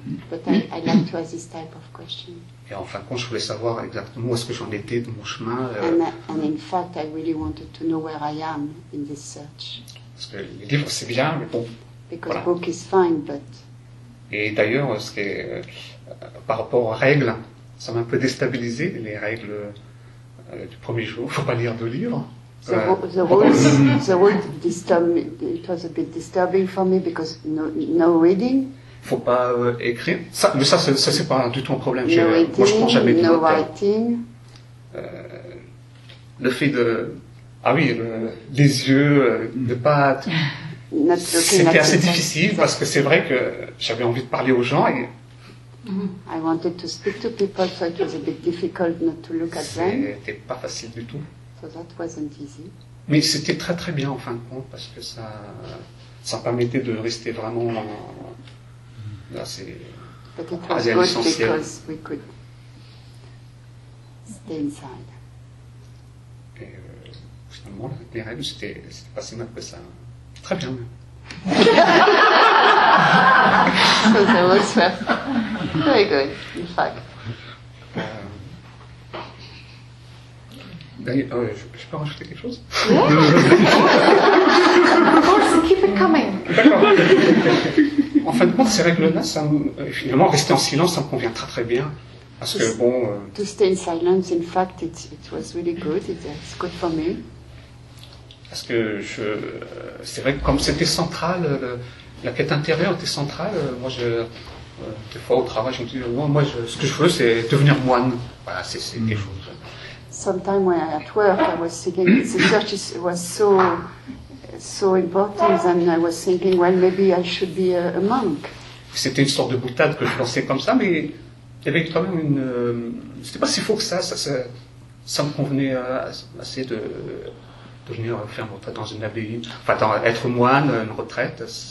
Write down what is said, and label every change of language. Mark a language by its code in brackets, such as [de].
[en] But I like to ask this type of question. [fr] Et en fin de compte, je voulais savoir exactement où est-ce que j'en étais dans mon chemin. [en] And in fact, I really wanted to know where I am in this search. [fr] Parce que les livres, c'est bien, mais bon. [en] Because voilà. Book is fine, but. [fr] Et d'ailleurs, ce qui est, par rapport aux règles, ça m'a un peu déstabilisé, les règles du premier jour. Il ne faut pas lire deux livres. [en] It was a bit disturbing for me because no reading. [fr] Faut pas écrire. Ça c'est pas du tout un problème. [en] No reading, [fr] moi, je prends jamais de [en] no note. Writing. [fr] Le fait de les yeux, de pas. C'était assez difficile parce que c'est vrai que j'avais envie de parler aux gens et. [en] I wanted to speak to people, so it was a bit difficult not to look at them. [fr] C'était pas facile du tout. [en] So that wasn't easy. [fr] Mais c'était très très bien en fin de compte parce que ça permettait de rester vraiment assez essentiel. [en] But it was good because we could stay inside. [fr] Et finalement, les règles, c'était pas si mal que ça. Très bien. [en] So that was very good, in fact. [fr] Je peux rajouter quelque chose? [en] Of course, keep it coming. [fr] D'accord. En fin de compte, ces règles-là, ça, finalement, rester en silence, ça me convient très très bien. Parce que bon. [en] To stay in silence, in fact, it was really good. It's good for me. [fr] Parce que c'est vrai que comme c'était central, la quête intérieure était centrale, moi je. Des fois au travail, je me dis, ce que je veux, c'est devenir moine. Voilà, c'est quelque chose. [en] Sometimes when I at work, I was thinking the church was so important, and I was thinking, well, maybe I should be a monk. [fr] C'était une sorte de boutade que je pensais comme ça, mais il y avait quand même une. C'était pas si faux que ça. Ça me convenait assez de venir faire mon retraite dans une abbaye, enfin, être moine, une retraite.